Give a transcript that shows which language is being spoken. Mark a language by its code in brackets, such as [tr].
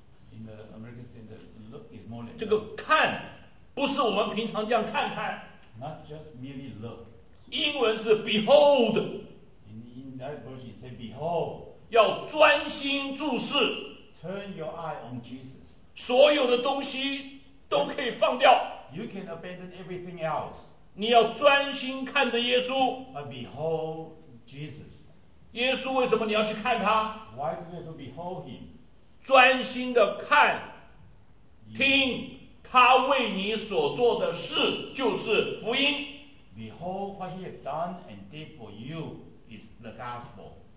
[en] In the American Standard, look is more than. [zh] 这个看不是我们平常这样看看。 [en] Not just merely look. [zh] 英文是 behold. [en] In that version, say behold. [zh] 要专心注视。 [en] Turn your eye on Jesus. [zh] 所有的东西都可以放掉。 [en] You can abandon everything else. [zh] 你要专心看着耶稣。 [en] But behold. Jesus. [zh] 耶稣为什么你要去看他 [en] Why do you have to behold him? [zh] 专心的看听他为你所做的事就是福音 [en] Behold what he has done and did for you is the gospel.